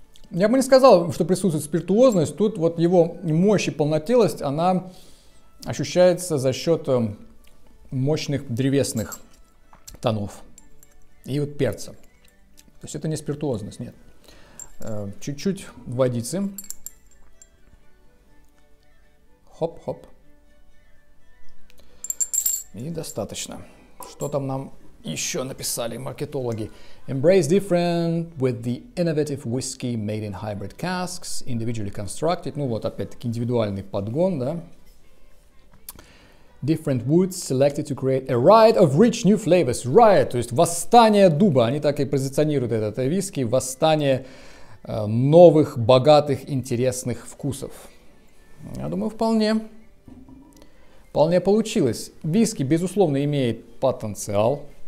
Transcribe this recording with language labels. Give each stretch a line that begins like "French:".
Russian: Я бы не сказал, что присутствует спиртуозность. Тут вот его мощь и полнотелость, она ощущается за счет мощных древесных тонов и вот перца. То есть это не спиртуозность, нет. Чуть-чуть водицы. Хоп-хоп. И достаточно. Что там нам еще написали маркетологи?
English: Embrace different with the innovative whiskey made in hybrid casks, individually constructed.
Russian: Ну вот опять-таки индивидуальный подгон, да.
English: Different woods selected to create a riot of rich new flavors.
Russian: Riot, то есть восстание дуба. Они так и позиционируют этот виски. Восстание новых, богатых, интересных вкусов. Я думаю, вполне. Вполне получилось. Виски, безусловно, имеет потенциал.